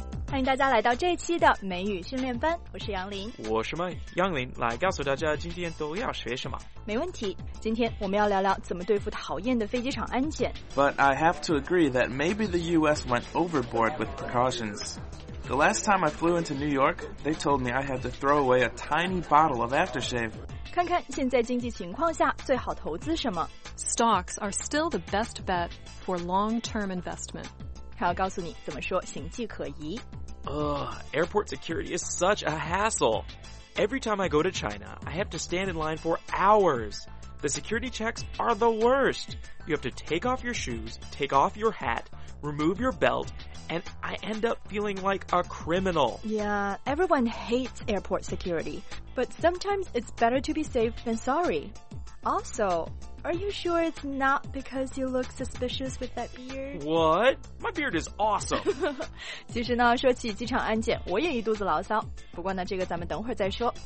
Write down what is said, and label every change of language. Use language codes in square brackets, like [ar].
[zh] 欢迎大家来到这期的美语训练班，我是杨林。我是麦杨林，来告诉大家今天都要学什么。没问题，今天我们要聊聊怎么对付讨厌的飞机场安检。 [en] But I have to agree that maybe the US went overboard with precautions. The last time I flew into New York, they told me I had to throw away a tiny bottle of aftershave. [zh] 看看现在经济情况下最好投资什么。 [en] Stocks are still the best bet for long-term investment. [zh] 还要告诉你怎么说行迹可疑。 [en] Airport security is such a hassle. Every time I go to China, I have to stand in line for hours. The security checks are the worst. You have to take off your shoes, take off your hat, remove your belt, and I end up feeling like a criminal. Yeah, everyone hates airport security, but sometimes it's better to be safe than sorry. Also... Are you sure it's not because you look suspicious with that beard? What? My beard is awesome. [zh] 其实呢，说起机场安检，我也一肚子牢骚。不过呢，这个咱们等会儿再说。